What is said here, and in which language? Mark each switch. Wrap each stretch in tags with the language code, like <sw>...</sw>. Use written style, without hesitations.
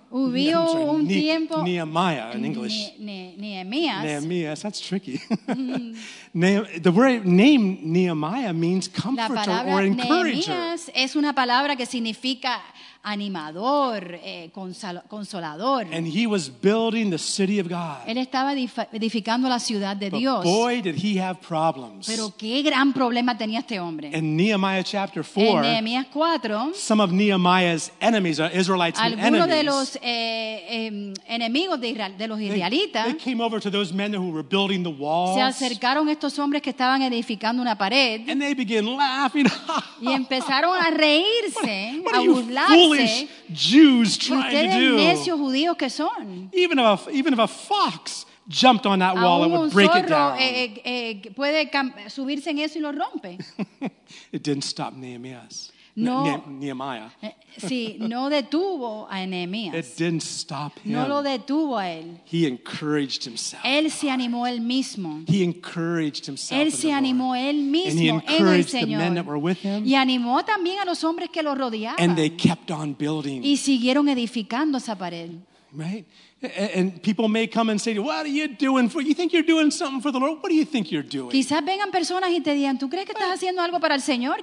<es>Hubo un tiempo.</es> <en>Nehemiah in English.</en> <es>Nehemías.</es> <en>Nehemías. That's tricky. The word name Nehemiah means comforter or encourager.</en> <es>La palabra Nehemías es una palabra que significa animador, consolador.</es> <en>And he was building the city of God.</en> <es>Él estaba edificando la ciudad de</es> <en>but</en> <es>Dios.</es> <en>Boy, did he have problems.</en> <es>Pero qué gran problema tenía este hombre.</es> <en>In Nehemiah chapter 4,</en> <es>en Nehemías 4,</es> <en>some of Nehemiah's enemies, Israelites,</en> <es>algunos de los enemigos de Israel, de los israelitas,</es> <en>they came over to those men who were building the walls.</en> <es>Se acercaron estos hombres que estaban edificando una pared.</es> <en>And they began laughing.</en> <es>Y empezaron a reírse,</es> <en>what</en> <es>a burlar.</es> <en>Foolish Jews trying to do. Even if a fox jumped on that wall, it would break it down.</en> <es>Puede subirse en eso y lo rompe.</es> <en>It didn't stop Nehemiah.</en> <es>No,</es> <en>Nehemiah.</en> <es>Sí, no detuvo a Nehemías.</es> <en>It didn't stop him.</en> <es>No lo detuvo a él.</es> <en>He encouraged himself.</en> <es>Él se animó él mismo.</es> <en>He encouraged himself.</en> <es>Él se animó él mismo.</es> <en>And he encouraged the</en> <es>Señor.</es> <en>Men that were with him.</en> <es>Y animó también a los hombres que lo rodeaban.</es> <en>And they kept on building.</en> <es>Y siguieron edificando esa pared.</es> <en>Right? And people may come and say, "What are you doing for? You think you're doing something for the Lord? What do you think you're doing?"</en> <es>Quizás vengan personas y te digan, "¿Tú crees que estás haciendo algo para el Señor?</es>